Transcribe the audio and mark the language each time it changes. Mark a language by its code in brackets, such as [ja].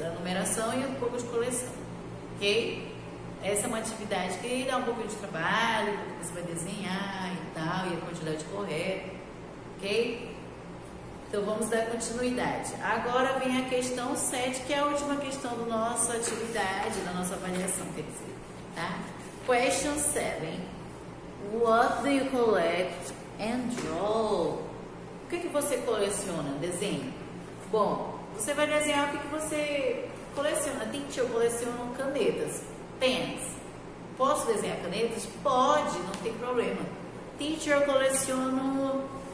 [pt] A numeração e um pouco de coleção. Ok? Essa é uma atividade que dá um pouquinho de trabalho, porque você vai desenhar e tal, e a quantidade correta, ok? Então, vamos dar continuidade. Agora vem a questão 7, que é a última questão da nossa atividade, da nossa avaliação, quer dizer, tá? [en] Question 7. What do you collect and draw? [pt] O que é que você coleciona, desenha? Bom, você vai desenhar o que é que você coleciona. Tem que eu coleciono canetas. Pens. Posso desenhar canetas? Pode, não tem problema. Teacher, eu coleciono...